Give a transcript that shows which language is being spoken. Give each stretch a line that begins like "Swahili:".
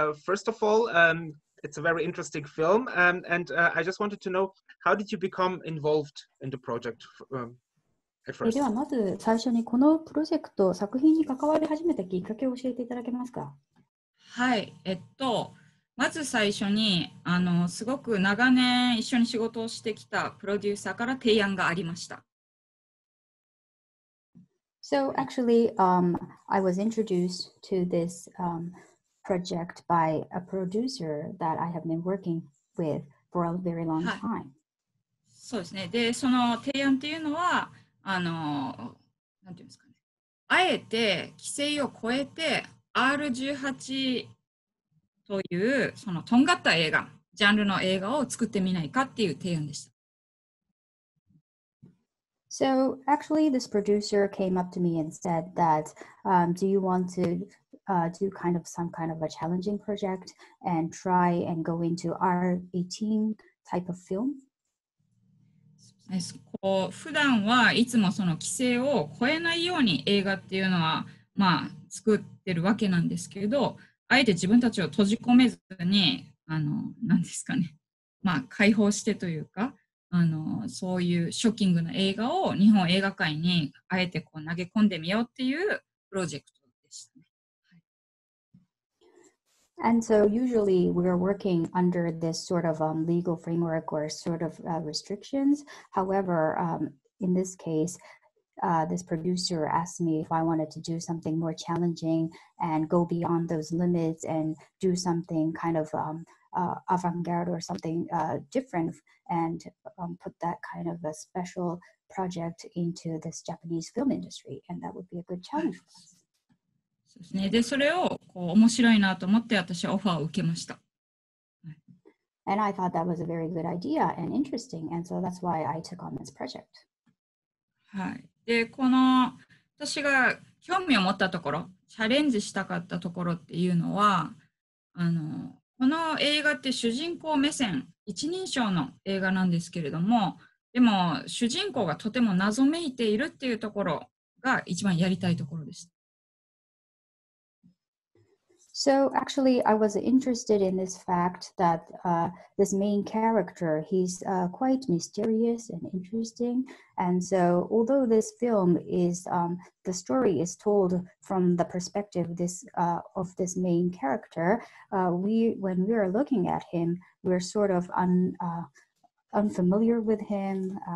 English: First of all, it's a very interesting film, and I just wanted to know, how did you become involved in the project?
Japanese: ではまず最初にこのプロジェクト、作品に関わり始めたきっかけを教えていただけますか。はい、まず最初にすごく長年一緒に仕事をしてきたプロデューサーから提案がありました。
English: So actually, I was introduced to this project by a producer that I have been working with for a very long time.
Japanese: はい、そうですね。で、その提案っていうのは、なんていうんですかね、あえて規制を超えて R18 というそのとんがった映画、ジャンルの映画を作ってみないかっていう提案でした。
English: So actually this producer came up to me and said that, do you want to, do kind of some kind of a challenging project and try and go into R18 type of film?
Japanese: こう普段はいつもその規制を超えないように映画っていうのは、まあ、作ってるわけなんですけど、あえて自分たちを閉じ込めずに、なんですかね、まあ、解放してというか、そういうショッキングな映画を日本映画界にあえてこう投げ込んでみようっていうプロジェクトでしたね。
English: And so usually we are working under this sort of legal framework or sort of restrictions. However, in this case, this producer asked me if I wanted to do something more challenging and go beyond those limits and do something kind of avant-garde or something different and put that kind of a special project into this Japanese film industry. And that would be a good challenge for us.
Japanese: ですね、でそれをこう面白いなと思って私はオファーを受けました。
English: And I thought that was a very good idea and interesting, and so that's why I took on this project.
Japanese: はい。で、この私が興味を持ったところ、チャレンジしたかったところっていうのは、この映画って主人公目線、一人称の映画なんですけれども、でも主人公がとても謎めいているっていうところが一番やりたいところでした。
English: So actually, I was interested in this fact that this main character, he's quite mysterious and interesting. And so although this film is, the story is told from the perspective this, of this main character, when we are looking at him, we're sort of unfamiliar with him.